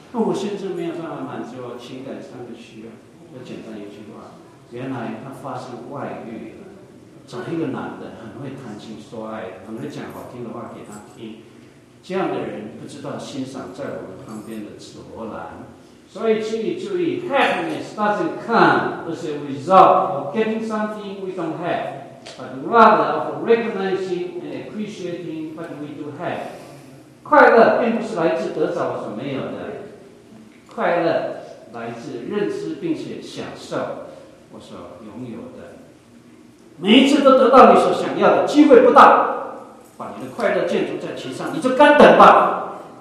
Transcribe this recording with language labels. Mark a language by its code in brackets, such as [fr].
[zh] 那我甚至没有办法满足我情感上的需要。要简单一句话，原来他发生外遇了，找一个男的很会谈情说爱，很会讲好听的话给他听，这样的人不知道欣赏在我们旁边的紫罗兰。所以请你注意， [en] happiness doesn't come as a result of getting something we don't have, but rather of recognizing and appreciating what we do have。 [zh] 快乐并不是来自得着所没有的，快乐来自认知并且享受我所拥有的。每一次都得到你所想要的机会不大，把你的快乐建筑在其上，你就干等吧。